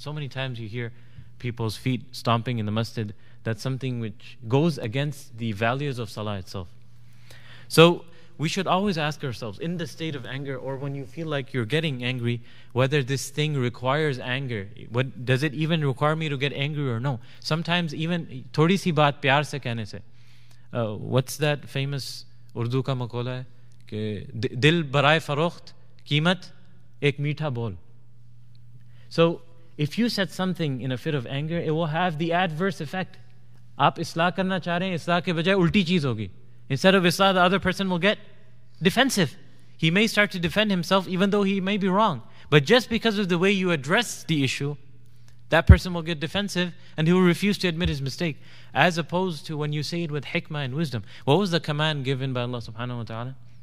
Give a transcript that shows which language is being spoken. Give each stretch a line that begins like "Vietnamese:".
English: So many times you hear people's feet stomping in the masjid. That's something which goes against the values of salah itself. So we should always ask ourselves, in the state of anger, or when you feel like you're getting angry, whether this thing requires anger. What does it even require me to get angry or no? Sometimes even
Urdu: تھوڑی سی بات پیار سے کہنے سے.
English: What's that famous Urdu
Urdu: ka makola hai? کے دل برائے فروخت قیمت ایک میٹھا بول.
English: So if you said something in a fit of anger, it will have the adverse effect.
Urdu: آپ اصلاح کرنا چہ رہے ہیں, اصلاح کے بجائے الٹی چیز ہوگی.
English: Instead of islah, the other person will get defensive. He may start to defend himself even though he may be wrong. But just because of the way you address the issue, that person will get defensive and he will refuse to admit his mistake. As opposed to when you say it with hikmah and wisdom. What was the command given by Allah subhanahu wa ta'ala?